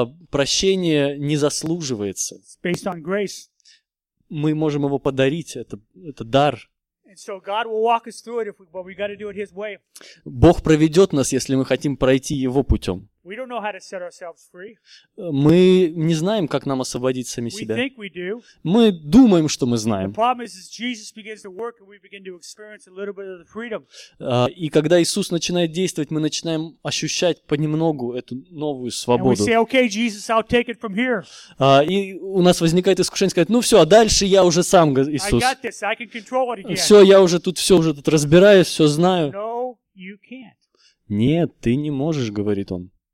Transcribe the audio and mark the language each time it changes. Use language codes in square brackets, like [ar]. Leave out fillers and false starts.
[ru] Прощение не заслуживается. [en] It's based on grace. [ru] Мы можем его подарить, это дар. [en] And so God will walk us through it, but we got to do it His way. [ru] Бог проведет нас, если мы хотим пройти Его путем. [en] We don't know how to set ourselves free. [ru] Мы не знаем, как нам освободить сами себя. [en] We think we do. [ru] Мы думаем, что мы знаем. [en] The problem is Jesus begins to work, and we begin to experience a little bit of the freedom. [ru] И когда Иисус начинает действовать, мы начинаем ощущать понемногу эту новую свободу. [en] And we say, okay, Jesus, I'll take it from here. [ru] И у нас возникает искушение сказать: ну все, а дальше я уже сам, Иисус. [en] I got this. I can control it again. [ru] Все, я уже тут все уже тут разбираюсь, все знаю. [en] No, you can't. [ru] Нет, ты не можешь, говорит он.